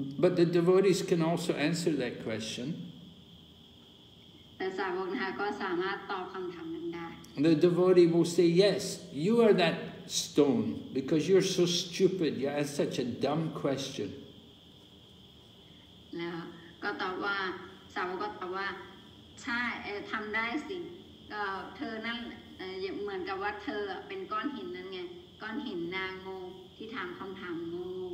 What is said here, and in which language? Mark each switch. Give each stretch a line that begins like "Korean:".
English: But the devotees can also answer that question.
Thai: แต่สาวกนะคะก็สามารถตอบคำถามนั้นได้
English: The devotee will say yes. You are that stone because you're so stupid. You ask such a dumb question.
Thai: แล้วก็ตอบว่าสาวกก็ตอบว่าใช่ทำได้สิเธอนั่นเหมือนกับว่าเธอเป็นก้อนหินนั่นไงก้อนหินนางโง่ที่ถามคำถามโง่